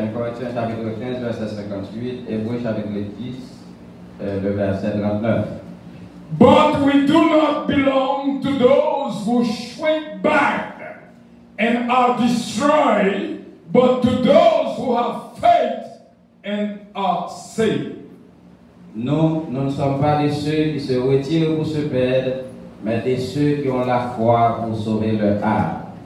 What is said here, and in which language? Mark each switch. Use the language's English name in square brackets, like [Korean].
[French] 1 Corinthians chapitre 15 verset 58 et Hebrews chapitre 10 le verset 39. [English] But we do not belong to those who shrink back and are destroyed, but to those who have faith and are saved. [French] Nous ne sommes pas de ceux qui se retirent pour se perdre, mais de ceux qui ont la foi pour sauver leur âme.